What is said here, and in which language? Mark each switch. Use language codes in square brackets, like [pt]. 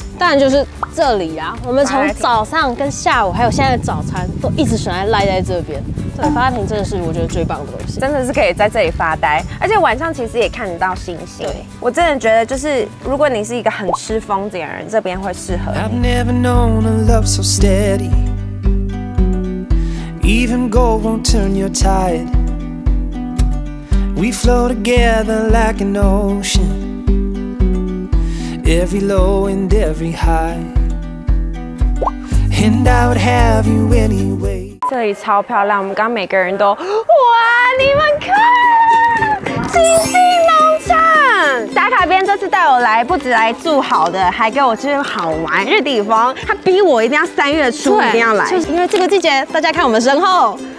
[zh] 当然就是这里啊，我们从早上跟下午还有现在的早餐都一直喜欢赖在这边。对，发呆亭真的是我觉得最棒的东西，真的是可以在这里发呆，而且晚上其实也看得到星星。对，我真的觉得就是如果你是一个很吃风景的人，这边会适合你。 [en] I've never known a love so steady, even gold won't turn your tide. We flow together like an ocean. Every low and every high, and I would have you anyway. [zh] 这里超漂亮，我们刚每个人都哇，你们看，金鸡农场。打卡编这次带我来，不止来住好的，还给我去好玩日地方。他逼我一定要三月初一定要来，就是因为这个季节，大家看我们身后。